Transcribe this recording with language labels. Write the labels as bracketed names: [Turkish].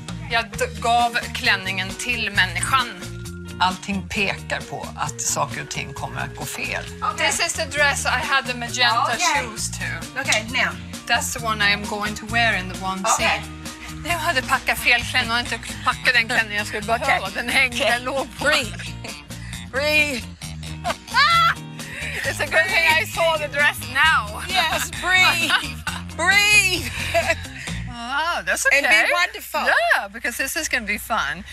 [Swedish] Jag gav klänningen till människan. Allting pekar på att saker och ting kommer att gå fel. [English] Okay. This is the dress I had the magenta okay. shoes to. Okay, now. That's the one I am going to wear in the one okay. scene. [Swedish] Jag hade packat fel klänning och inte packat den klänning jag skulle behöva. [English] Okay. [Swedish] Den hängde, den låg på. [English] Breathe. It's a good thing I saw the dress now. Yes, breathe. Oh, that's okay. And be wonderful. Yeah, because this is going to be fun.